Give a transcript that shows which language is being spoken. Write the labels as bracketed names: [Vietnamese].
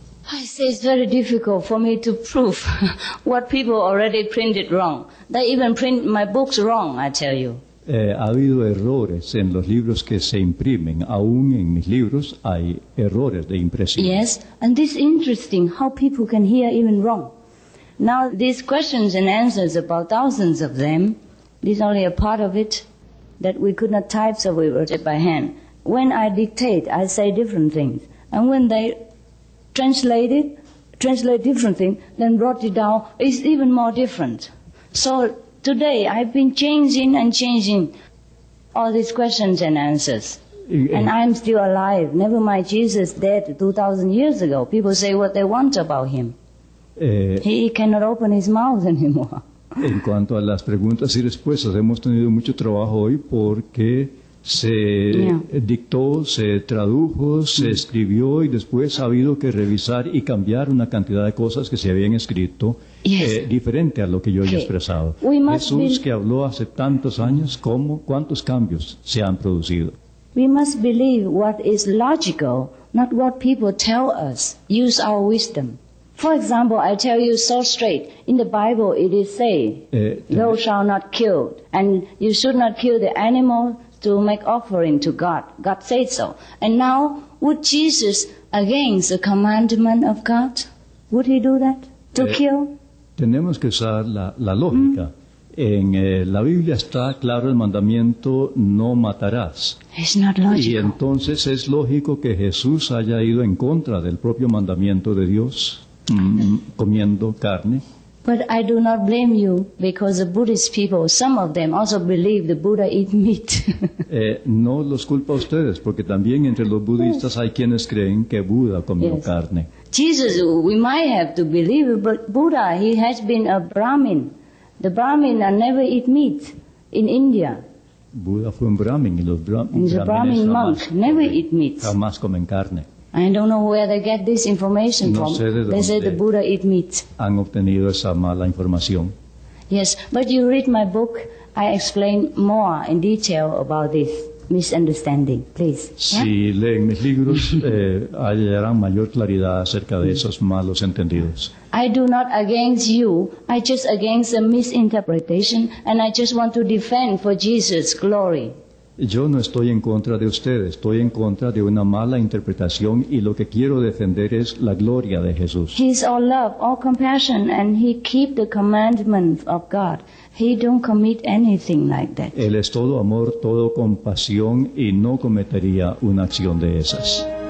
[English] I say it's very difficult for me to prove what people already printed wrong. They even print my books wrong, I tell you. [Spanish] Ha habido errores en los libros que se imprimen. Aún en mis libros hay errores de impresión. [English] Yes, and this is interesting how people can hear even wrong. Now, these questions and answers, about thousands of them, this is only a part of it that we could not type, so we wrote it by hand. When I dictate, I say different things. And when they translate different things, then wrote it down, it's even more different. So today, I've been changing all these questions and answers. And I'm still alive. Never mind, Jesus dead 2,000 years ago. People say what they want about him. He cannot open his mouth anymore. [Spanish] En cuanto a las preguntas y respuestas, hemos tenido mucho trabajo hoy porque se dictó, se tradujo, se escribió y después ha habido que revisar y cambiar una cantidad de cosas que se habían escrito diferente a lo que yo he expresado. Jesús que habló hace tantos años, ¿cómo, cuántos cambios se han producido? [English] We must believe what is logical, not what people tell us. Use our wisdom. For example, I tell you so straight, in the Bible it is said, thou shalt not kill, and you should not kill the animal to make offering to God. God said so. And now, would Jesus, against the commandment of God, would he do that, to kill? [Spanish] Tenemos que usar la lógica. Mm. En la Biblia está claro el mandamiento, no matarás. [English] It's not logical. [Spanish] Y entonces es lógico que Jesús haya ido en contra del propio mandamiento de Dios. Comiendo carne. [English] But I do not blame you because the Buddhist people, some of them also believe the Buddha eat meat. [Spanish] No los culpo a ustedes porque también entre los budistas hay quienes creen que Buda comió carne. [English] Jesus, we might have to believe, but Buddha, he has been a Brahmin. The Brahmin never eat meat in India. [Spanish] Buda fue un Brahmin y los Brahmin. [English] The Brahmin monk never eat meat. [Spanish] Jamás comen carne. [English] I don't know where they get this information from. They say the Buddha eat meat. [Spanish] Han obtenido esa mala información. [English] Yes, but you read my book, I explain more in detail about this misunderstanding, please. [Spanish] Si leen mis libros, hallarán mayor claridad acerca de esos malos entendidos. [English] I do not against you, I just against the misinterpretation, and I just want to defend for Jesus' glory. [Spanish] Yo no estoy en contra de ustedes, estoy en contra de una mala interpretación y lo que quiero defender es la gloria de Jesús. [English] He is all love, all compassion, and he keep the commandments of God. He don't commit anything like that. [Spanish] Él es todo amor, todo compasión y no cometería una acción de esas.